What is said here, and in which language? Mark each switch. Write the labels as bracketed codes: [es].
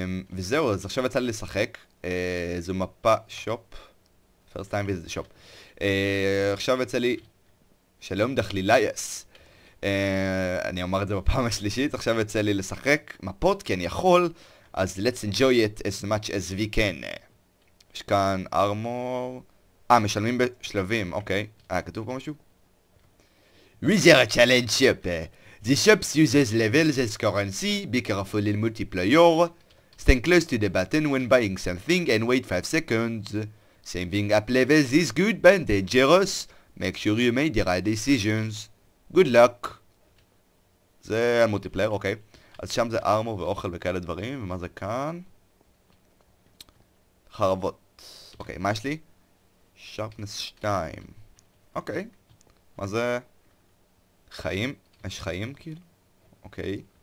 [he] וזהו, אז עכשיו יצא לי לשחק. זו מפה שופ. [en] First time visit shop. [he] עכשיו יצא לי... שלום דחלילה, יס. אני אומר את זה בפעם השלישית. עכשיו יצא לי לשחק מפות, כן, יכול. אז [en] let's enjoy it as much as we can. [he] יש כאן armor. משלמים בשלבים, אוקיי. כתוב פה משהו? Wither Challenge Shop. [en] The shop uses levels as currency. Be careful in multiplayer. Stand close to the button when buying something and wait 5 seconds. Saving up levels is good but dangerous. Make sure you make the right decisions. Good luck. [he] זה המולטיפלייר, אוקיי. אז שם זה ארמור ואוכל וכאלה דברים. ומה זה כאן? חרבות. אוקיי, מה יש לי? Sharpness 2. אוקיי. מה זה? חיים? יש חיים כאילו? אוקיי.